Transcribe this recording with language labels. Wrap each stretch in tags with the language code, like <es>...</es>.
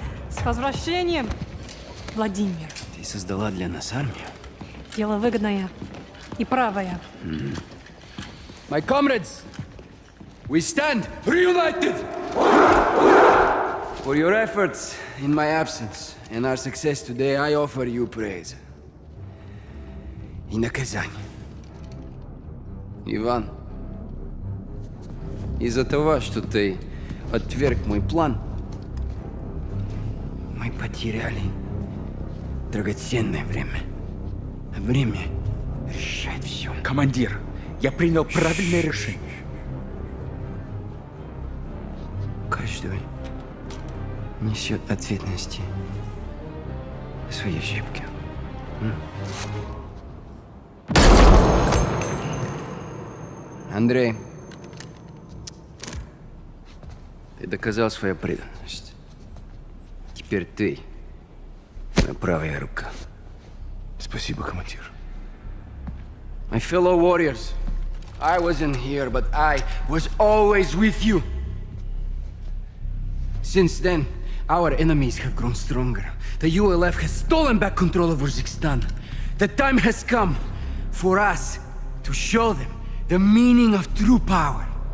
<ru>С возвращением, Владимир. Ты создала для нас армию. Дело выгодное и правое.</ru> <en>My comrades, we stand reunited for your efforts in my absence and our success today. I offer you praise. In the Kazan,</en> <ru>Иван, из-за того, что ты отверг мой план, мы потеряли драгоценное время. Время решает все. Командир. Я принял правильное решение. Каждый несет ответственности за свои ошибки. Андрей, ты доказал свою преданность. Теперь ты моя правая рука. Спасибо, командир.</ru> <en>My fellow warriors, I wasn't here, but I was always with you. Since then, our enemies have grown stronger. The ULF has stolen back control of Uzbekistan. The time has come for us to show them the meaning of true power.</en>